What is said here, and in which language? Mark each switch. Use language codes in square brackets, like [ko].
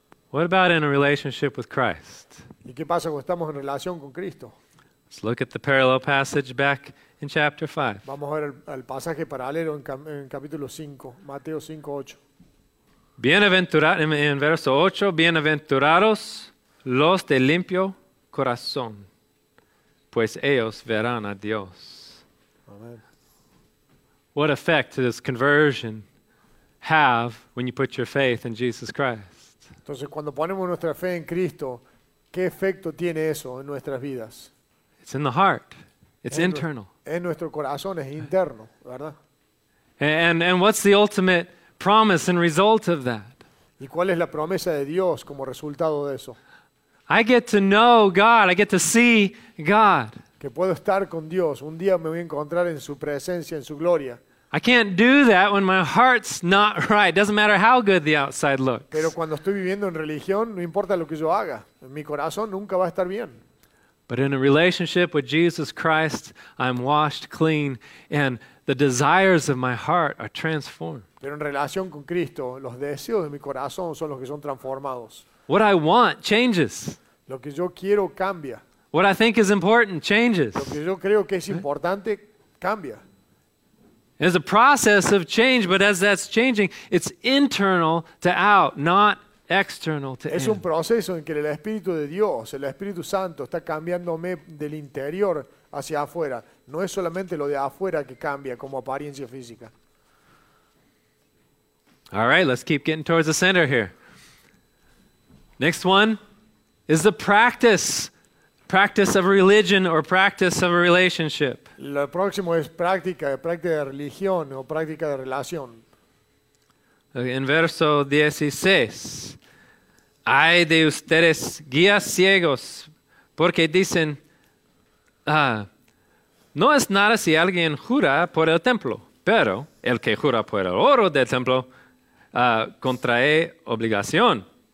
[en] What about in a relationship with Christ? [es] ¿Y qué pasa cuando estamos en relación con Cristo? [en] Let's look at the parallel passage back in chapter 5. [es] Vamos a ver el pasaje paralelo en capítulo 5, Mateo 5:8. Bienaventurados, en verso 8, bienaventurados los de limpio corazón, pues ellos verán a Dios. [en] Amen. What effect does conversion have when you put your faith in Jesus Christ? [es] Entonces, cuando ponemos nuestra fe en Cristo, ¿qué efecto tiene eso en nuestras vidas? [en] It's in the heart. It's internal. [es] En nuestro corazón, es interno, ¿verdad? [en] And what's the ultimate promise and result of that? [es] ¿Y cuál es la promesa de Dios como resultado de eso? [en] I get to know God. I get to see God. [es] Que puedo estar con Dios. Un día me voy a encontrar en su presencia, en su gloria. [en] I can't do that when my heart's not right. Doesn't matter how good the outside looks. [es] Pero cuando estoy viviendo en religión, no importa lo que yo haga. Mi corazón nunca va a estar bien. [en] But in a relationship with Jesus Christ, I'm washed clean and the desires of my heart are transformed. [es] Pero en relación con Cristo, los deseos de mi corazón son los que son transformados. [en] What I want changes. [es] Lo que yo quiero cambia. [en] What I think is important changes. [es] Lo que yo creo que es importante cambia. [en] It's a process of change, but as that's changing, it's internal to out, not external to in. [es] Es un proceso en que el Espíritu de Dios, el Espíritu Santo, está cambiándome del interior hacia afuera. No es solamente lo de afuera que cambia como apariencia física. [en] All right, let's keep getting towards the center here. Next one is the practice of religion or practice of a relationship. [es] Lo próximo es práctica de religión o práctica de relación. En verso 16, ay de ustedes guías ciegos, porque dicen, no es nada si alguien jura por el templo, pero el que jura por el oro del templo contrae obligación.